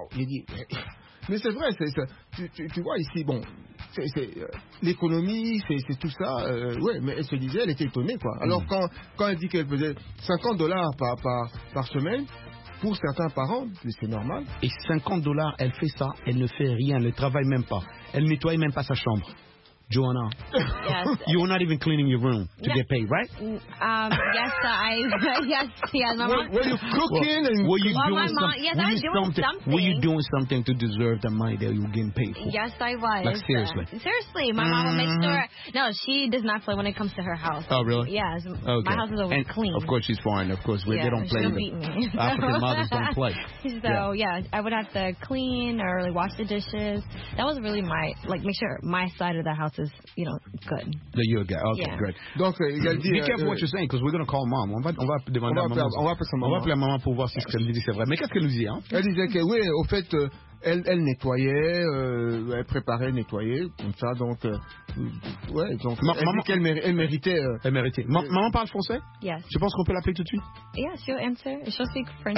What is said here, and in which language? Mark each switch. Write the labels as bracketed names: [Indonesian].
[French] Elle dit, mais c'est vrai, tu vois ici, bon, c'est l'économie, c'est tout ça. Ouais, mais elle se disait, elle était étonnée, quoi. Alors, quand elle dit qu'elle faisait $50 par semaine, pour certains parents, c'est normal. Et $50, elle fait ça, elle ne fait rien, elle ne travaille même pas. Elle nettoie même pas sa chambre. Joanna, [English] yes. You're not even cleaning your room to get paid, right? Yes, my mom. Were you cooking? Were you doing something to deserve the money that you were getting paid for? Yes, I was. Like, seriously. Seriously, my mom will make sure. No, she does not play when it comes to her house. Oh, really? Yes. Okay. My house is always and clean. Of course, she's fine. Of course, yeah, they don't play. She'll beat me. African mothers don't play. So, yeah, I would have to clean or like, wash the dishes. That was really my, like, make sure my side of the house is, you know, good. The yoga. Okay, yeah. Great. [French] Donc, [English] be careful what you're saying, because we're going to call mom. [French] On va demander on va à maman. On va appeler sa maman. On va appeler à maman pour voir si ce qu'elle nous dit, c'est vrai. Mais qu'est-ce qu'elle nous dit, hein? Elle disait que, oui, au fait, elle nettoyait, elle préparait, nettoyait, comme ça, donc... Elle méritait. Maman parle français? [English] Yes. [French] Je pense qu'on peut l'appeler tout de suite? [English] Yes, she'll answer. She'll speak French.